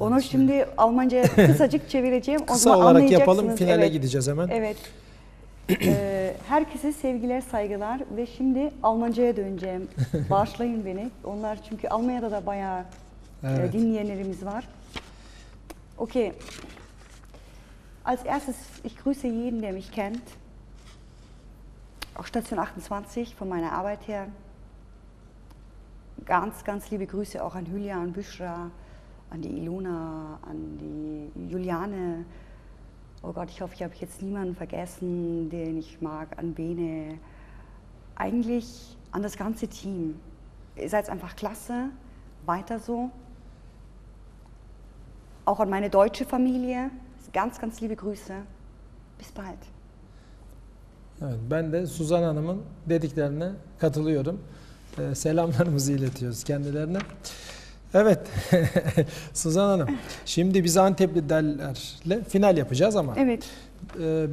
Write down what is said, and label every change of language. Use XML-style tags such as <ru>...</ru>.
<tr>Onu şimdi Almanca'ya kısacık çevireceğim. Kısa olarak anlayacaksınız. Yapalım. Finale gideceğiz hemen. Evet. Herkese sevgiler, saygılar ve şimdi Almanca'ya döneceğim. Bağışlayın beni. Onlar çünkü Almanya'da da bayağı dinleyenlerimiz var. Okay.</tr> <de>Als erstes, ich grüße jeden, der mich kennt. Auf Station 28 von meiner Arbeit her. Ganz, ganz liebe Grüße auch an Hülya und Büschra, an die Ilona, an die Juliane. Oh Gott, ich hoffe, ich habe jetzt niemanden vergessen, den ich mag, an Bene. Eigentlich an das ganze Team. Ihr seid einfach klasse, weiter so. Auch an meine deutsche Familie. Ganz, ganz liebe Grüße. Bis bald.</de> <tr>Evet, ben de Suzan Hanım'ın dediklerine katılıyorum. Selamlarımızı iletiyoruz kendilerine. Evet, Suzan Hanım, şimdi biz Antepli derlerle final yapacağız ama evet.</tr>